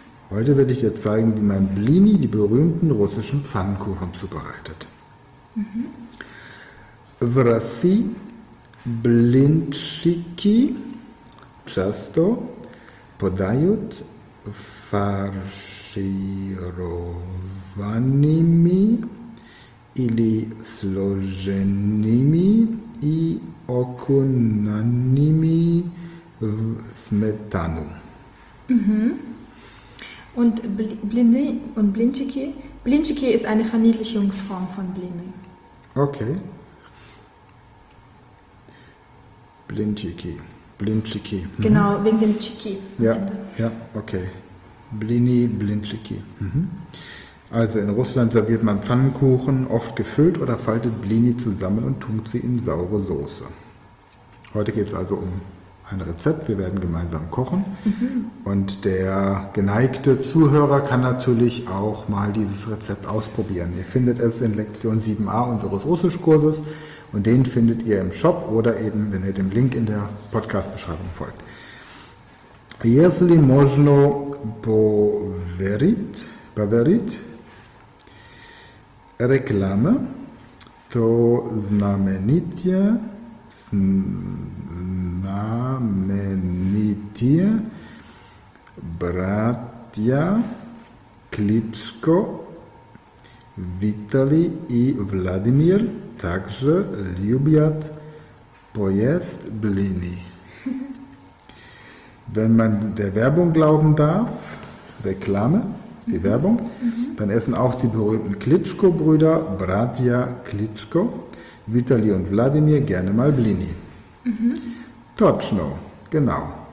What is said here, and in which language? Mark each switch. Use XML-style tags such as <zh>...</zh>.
<de>Heute werde ich dir zeigen, wie man блини, die berühmten russischen Pfannkuchen, zubereitet. Mhm.</de> <ru>В России блинчики часто подают фаршированными или сложенными и окунанными в сметану.</ru> <de>Und блины und блинчики. Блинчики ist eine Verniedlichungsform von блины. Okay.</de> <ru>Блинчики. Блинчики. Mhm.</ru> <de>Genau, wegen dem чики. Ja, ja, okay. Блини, блинчики. Mhm. Also in Russland serviert man Pfannkuchen, oft gefüllt, oder faltet блини zusammen und tunkt sie in saure Soße. Heute geht es also um ein Rezept. Wir werden gemeinsam kochen. Mhm. Und der geneigte Zuhörer kann natürlich auch mal dieses Rezept ausprobieren. Ihr findet es in Lektion 7a unseres Russischkurses. Und den findet ihr im Shop oder eben, wenn ihr dem Link in der Podcast-Beschreibung folgt.</de> <ru>Если можно поверить рекламе, то знаменитые братья Кличко, Виталий и Владимир также любят поесть блины.</ru> <de>Wenn man der Werbung glauben darf, Reklame, die Werbung, mhm, dann essen auch die berühmten Klitschko-Brüder, Bratja Klitschko, Vitali und Wladimir gerne mal blini. Mhm.</de> <ru>Точно.</ru> <de>Genau.</de>